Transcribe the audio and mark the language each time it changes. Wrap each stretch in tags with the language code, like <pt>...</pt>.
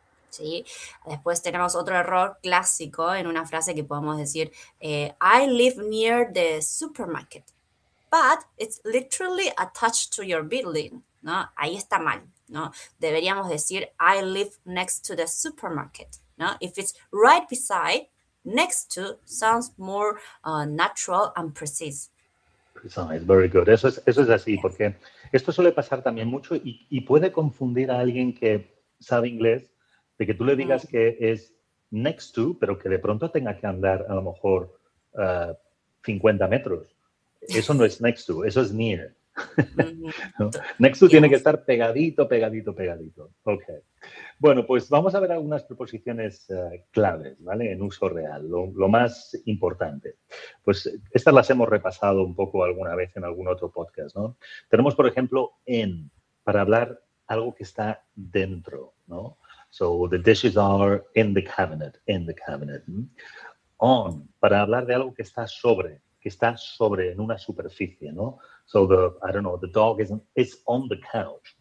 <es>¿Sí? Después tenemos otro error clásico en una frase que podemos decir</es> <en>I live near the supermarket, but it's literally attached to your building,</en> <es>¿no? Ahí está mal, ¿no? Deberíamos decir</es> <en>I live next to the supermarket,</en> <es>¿no?</es> <en>If it's right beside, next to sounds more natural and precise. Precise, very good.</en> <es>Eso es así,</es> <en>yes.</en> <es>Porque esto suele pasar también mucho y puede confundir a alguien que sabe inglés de que tú le digas que es next to, pero que de pronto tenga que andar a lo mejor 50 metros. Eso no es next to, eso es near. ¿No? Next to tiene que estar pegadito, pegadito, pegadito. Okay. Bueno, pues vamos a ver algunas preposiciones claves, ¿vale? En uso real, lo más importante. Pues estas las hemos repasado un poco alguna vez en algún otro podcast, ¿no? Tenemos, por ejemplo, en, para hablar algo que está dentro, ¿no?</es> <en>So, the dishes are in the cabinet, in the cabinet.</en> <es>On, para hablar de algo que está sobre, en una superficie, ¿no?</es> <en>So, the, I don't know, the dog is on the couch.</en>